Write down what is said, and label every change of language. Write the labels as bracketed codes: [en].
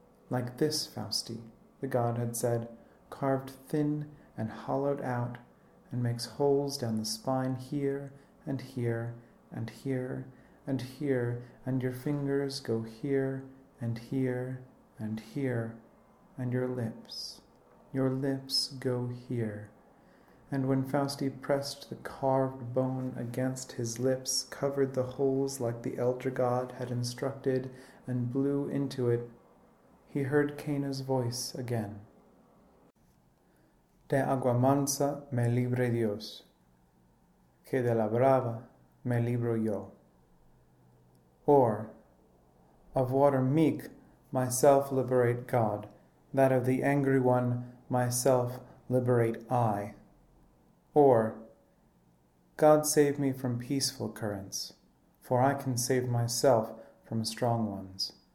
[en] "Like this, Fausti," the god had said, "carved thin and hollowed out and makes holes down the spine here and here and here and here, and your fingers go here and here and here, and your lips go here." And when Fausti pressed the carved bone against his lips, covered the holes like the elder god had instructed, and blew into it, he heard Cana's voice again. [es] De agua mansa me libre Dios, que de la brava me libro yo. [en] Or, of water meek, myself liberate God, that of the angry one, myself liberate I. Or, God save me from peaceful currents, for I can save myself from strong ones.